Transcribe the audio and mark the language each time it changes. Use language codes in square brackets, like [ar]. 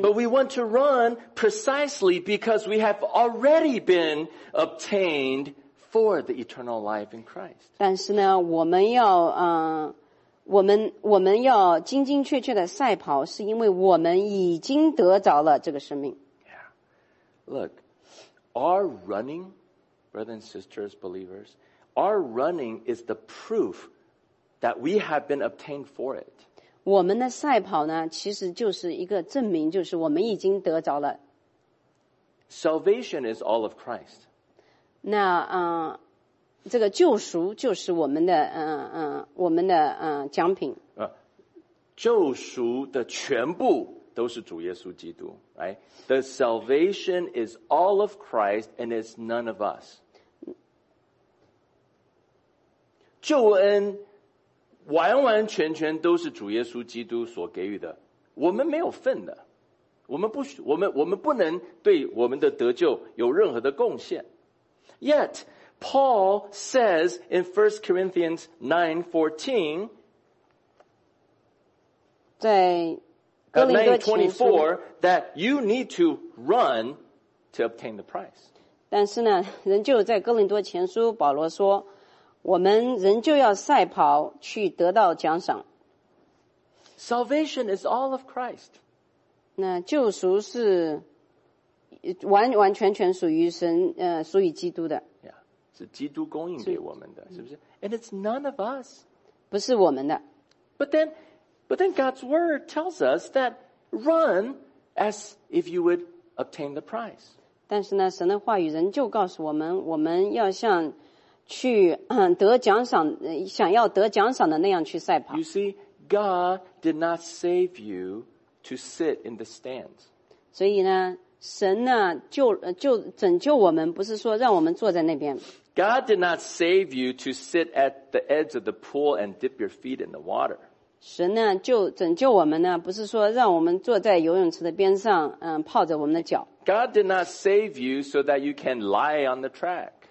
[en] But we want to run precisely because we have already been obtained for the eternal life in Christ. [zh] 但是呢我们要精精确确的赛跑是因为我们已经得着了这个生命。 [en] Yeah. Look, our running,Brothers and sisters, believers, our running is the proof that we have been obtained for it. [zh] 我们的赛跑呢，其实就是一个证明，就是我们已经得着了。 [en] Salvation is all of Christ. [zh] 那这个救赎就是我们的我们的奖品。救赎的全部都是主耶稣基督 ，right? [en] The salvation is all of Christ and it's none of us. [zh] 救恩完完全全都是主耶稣基督所给予的，我们没有份的，我们不能对我们的得救有任何的贡献。 [en] Yet Paul says in 1 Corinthians 9:14. [zh] 在 [en] 9:24, that you need to run to obtain the prize. [zh] 但是呢，仍旧在哥林多前书，保罗说，我们仍旧要赛跑去得到奖赏。 [en] Salvation is all of Christ. [zh] 那救赎是完完全全属于神，属于基督的。 Yeah, 是基督供应给我们的，是不是 ？ [en] And it's none of us. [zh] 不是我们的。 [en] But then God's word tells us that run as if you would obtain the prize. [zh] 但是呢，神的话语仍旧告诉我们，我们要像去得奖赏，想要得奖赏的那样去赛跑。 [en] You see, God did not save you to sit in the stands. [zh] 所以呢，神呢就拯救我们，不是说让我们坐在那边。 [en] God did not save you to sit at the edge of the pool and dip your feet in the water. [zh] 神呢就拯救我们呢，不是说让我们坐在游泳池的边上，泡着我们的脚。 [en] God did not save you so that you can lie on the track.